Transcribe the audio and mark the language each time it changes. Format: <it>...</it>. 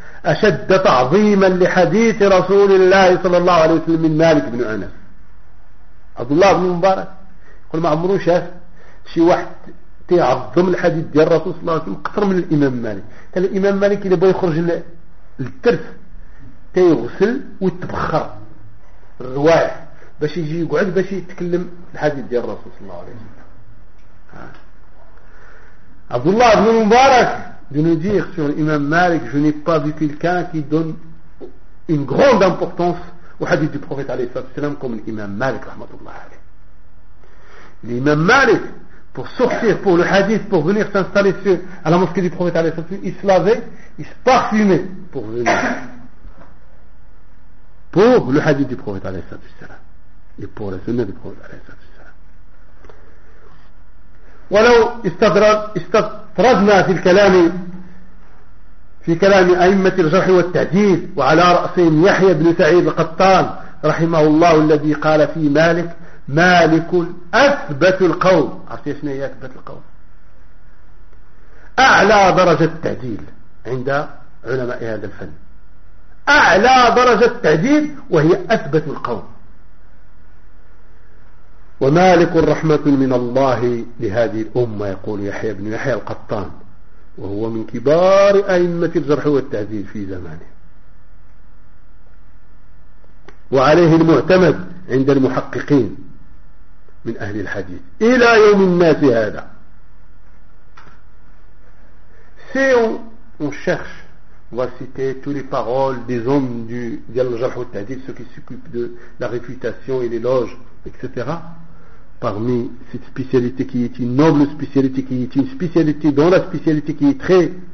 <ar>أشد تعظيما لحديث رسول الله صلى الله عليه وسلم من مالك بن أنس عبد الله بن مبارك يقول ما عمرو شاف شي واحد تيعظم الحديث ديال الرسول صلى الله عليه وسلم أكثر من الإمام مالك قال الإمام مالك إذا بغى يخرج للترف تيغسل ويتبخر الرواية باش يجي يقعد باش يتكلم الحديث ديال الرسول صلى الله عليه وسلم</ar> <fr>عبد الله بن مبارك de nous dire sur l'imam Malik je n'ai pas vu quelqu'un qui donne une grande importance au hadith du prophète alayhi salatu wasalam comme l'imam Malik rahmatullah alayhi. L'imam Malik pour sortir pour le hadith pour venir s'installer sur, à la mosquée du prophète alayhi salatu wasalam, il se lavait, il se parfumait pour venir pour le hadith du prophète alayhi salatu wasalam et pour la sunna du prophète alayhi salatu wasalam.</fr> <ar>ولو استطردنا في الكلام في كلام أئمة الجرح والتعديل وعلى رأسهم يحيى بن سعيد القطان رحمه الله الذي قال في مالك مالك أثبت القوم عرفتي شنو هي أثبت القوم أعلى درجة التعديل عند علماء هذا الفن أعلى درجة التعديل وهي أثبت القوم ومالك الرحمة من الله لهذه الأمة يقول يحيى بن يحيى القطان وهو من كبار أئمة الجرح والتعديل في زمانه وعليه المعتمد عند المحققين من أهل الحديث إلى يوم الناس هذا.</ar> <fr>Si on cherche, on va citer toutes les paroles des hommes du Al-Jarh wa al-Ta'dil, ceux qui s'occupent de la réfutation et l'éloge, etc. Parmi cette spécialité qui est une noble spécialité, qui est une spécialité dont la spécialité qui est très...</fr>